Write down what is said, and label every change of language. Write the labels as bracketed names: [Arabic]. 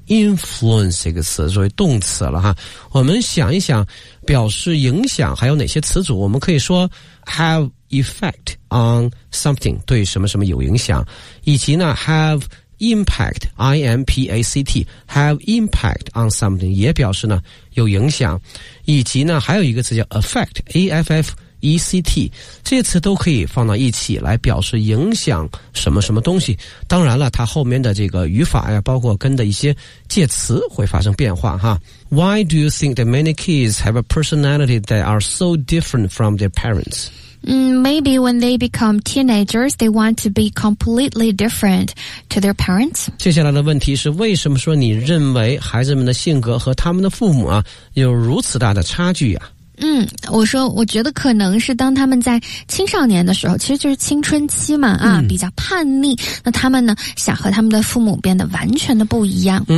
[Chinese] influence 这个词作为动词了哈，我们想一想表示影响还有哪些词组，我们可以说 [English] have effect on something， [Chinese] 对什么什么有影响，以及呢 [English] have impact， impact， have impact on something [Chinese] 也表示呢有影响，以及呢还有一个词叫 affect， affect， 这些词都可以放到一起来表示影响什么什么东西。当然了它后面的这个语法呀，包括跟的一些介词会发生变化哈。 [English] Why do you think that many kids have a personality that are so different from their parents? Maybe when they become teenagers, they want to be completely different to their parents. [Chinese] 接下来的问题是，为什么说你认为孩子们的性格和他们的父母啊，有如此大的差距啊？我说我觉得可能是当他们在青少年的时候，其实就是青春期嘛啊，比较叛逆，那他们呢想和他们的父母变得完全的不一样。